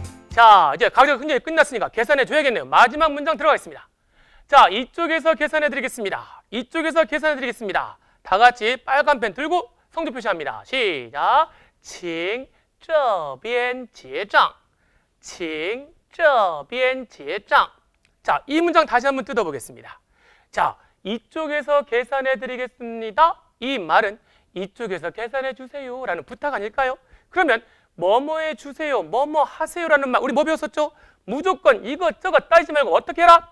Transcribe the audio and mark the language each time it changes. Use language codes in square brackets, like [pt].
[ko] 자, 이제 가격 흥정이 끝났으니까 계산해줘야겠네요. 마지막 문장 들어가겠습니다. 자, 이쪽에서 계산해드리겠습니다. 이쪽에서 계산해드리겠습니다. 다 같이 빨간 펜 들고 성조 표시합니다. 시작. [zh] 칭 这边结账, 请 这边结账. [ko] 자, 이 문장 다시 한번 뜯어보겠습니다. 자, 이쪽에서 계산해드리겠습니다. 이 말은 이쪽에서 계산해 주세요라는 부탁 아닐까요? 그러면 뭐뭐해 주세요, 뭐뭐 하세요라는 말 우리 뭐 배웠었죠? 무조건 이것저것 따지지 말고 어떻게 해라?